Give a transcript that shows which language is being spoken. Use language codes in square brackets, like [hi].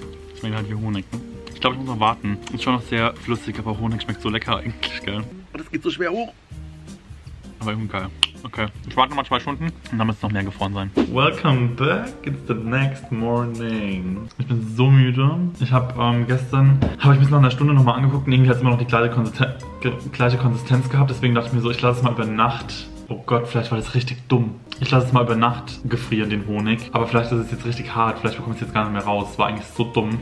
[de] Das schmeckt halt wie Honig. Ich glaube, ich muss noch warten. Ist schon noch sehr flüssig, aber Honig schmeckt so lecker eigentlich, gell? Das geht so schwer hoch. Aber irgendwie geil. Okay, ich warte nochmal 2 Stunden und dann müsste es noch mehr gefroren sein. [en] Welcome back, it's the next morning. [de] Ich bin so müde. Ich habe gestern, habe ich mich nach einer Stunde nochmal angeguckt und irgendwie hat es immer noch die gleiche Konsistenz gehabt. Deswegen dachte ich mir so, ich lasse es mal über Nacht. Oh Gott, vielleicht war das richtig dumm. Ich lasse es mal über Nacht gefrieren, den Honig. Aber vielleicht ist es jetzt richtig hart, vielleicht bekomme ich es jetzt gar nicht mehr raus. Es war eigentlich so dumm.